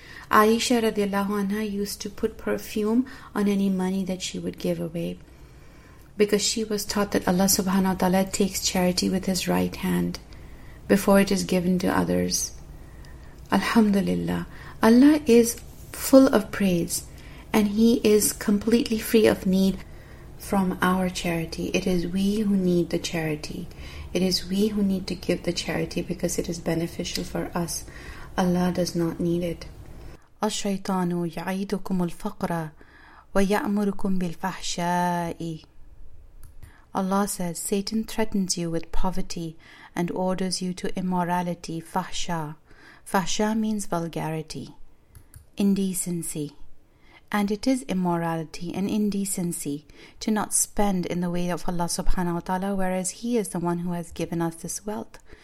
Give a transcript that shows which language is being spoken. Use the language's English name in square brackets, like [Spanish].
[English] Aisha radiallahu anha used to put perfume on any money that she would give away, because she was taught that Allah subhanahu wa ta'ala takes charity with his right hand before it is given to others. Alhamdulillah. Allah is full of praise and he is completely free of need. from our charity. It is we who need the charity. It is we who need to give the charity because it is beneficial for us. Allah does not need it. [Arabic] الشيطان يعيدكم الفقر ويأمركم بالفحشاء. [English] Allah says, Satan threatens you with poverty and orders you to immorality, fahsha. Fahsha means vulgarity, indecency. And it is immorality and indecency to not spend in the way of Allah subhanahu wa ta'ala, whereas He is the one who has given us this wealth.